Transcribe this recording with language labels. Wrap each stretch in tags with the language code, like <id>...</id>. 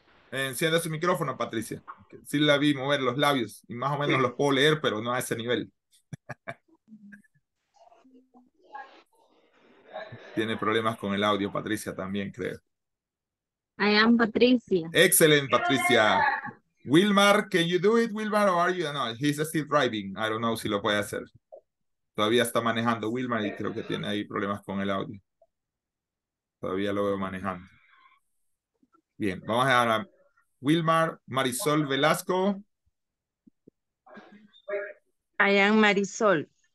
<es>Encienda su micrófono, Patricia. Sí la vi mover los labios y más o menos los puedo leer, pero no a ese nivel. Tiene problemas con el audio, Patricia, también creo.</es> <en>I am Patricia.</en> <es>Excelente, Patricia.</es> <en>Wilmar, can you do it, Wilmar, or are you? No, he's still driving. I don't know</en> <es>si lo puede hacer. Todavía está manejando Wilmar y creo que tiene ahí problemas con el audio. Todavía lo veo manejando. Bien, vamos a dar a Wilmar, Marisol Velasco.</es> <en>I am Marisol.</en>